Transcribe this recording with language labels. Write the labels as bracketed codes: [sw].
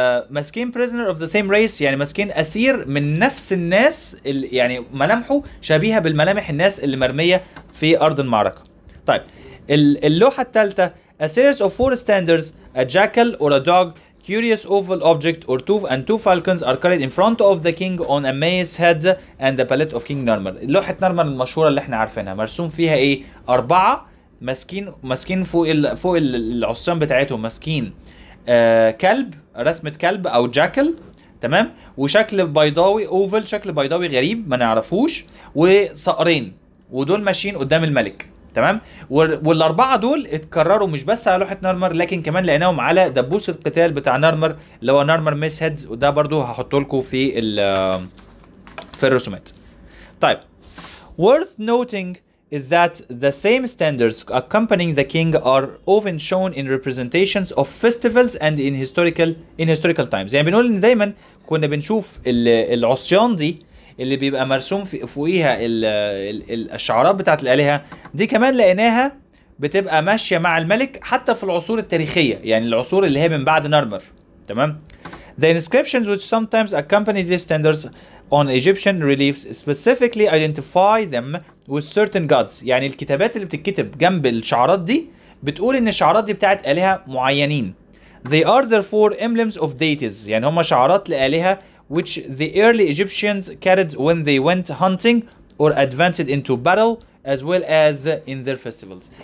[ar] ماسكين [en] prisoner of the same race، [ar] يعني ماسكين اسير من نفس الناس، يعني ملامحه شبيهه بالملامح الناس اللي مرميه في ارض المعركه. طيب اللوحه الثالثه، [en] a series of four standards، a jackal or a dog، curious oval object or two and two falcons are carried in front of the king on a mace head and the palette of king Narmer. [ar] لوحة نارمر المشهورة اللي احنا عارفينها مرسوم فيها ايه؟ أربعة ماسكين فوق العصيان بتاعتهم ماسكين كلب، رسمة كلب أو جاكل، تمام؟ وشكل بيضاوي اوفل، شكل بيضاوي غريب ما نعرفوش، وصقرين، ودول ماشيين قدام الملك، تمام. والاربعه دول اتكرروا مش بس على لوحه نارمر، لكن كمان لقيناهم على دبوس القتال بتاع نارمر اللي هو نارمر ميس هيدز، وده برده هحط لكم في الرسومات. طيب [en] worth noting is that the same standards accompanying the king are often shown in representations of festivals and in historical times. [ar] يعني بنقول ان دايما كنا بنشوف العصيان دي اللي بيبقى مرسوم في فوقيها الشعارات بتاعت الالهه دي، كمان لقيناها بتبقى ماشيه مع الملك حتى في العصور التاريخيه، يعني العصور اللي هي من بعد نارمر، تمام. [en] The inscriptions which sometimes accompany these standards on Egyptian reliefs specifically identify them with certain gods، [ar] يعني الكتابات اللي بتتكتب جنب الشعارات دي بتقول ان الشعارات دي بتاعت الهه معينين. [en] They are therefore emblems of deities، [ar] يعني هم شعارات لالهه [en] which the early Egyptians carried when they went hunting or advanced into battle as well as in their festivals.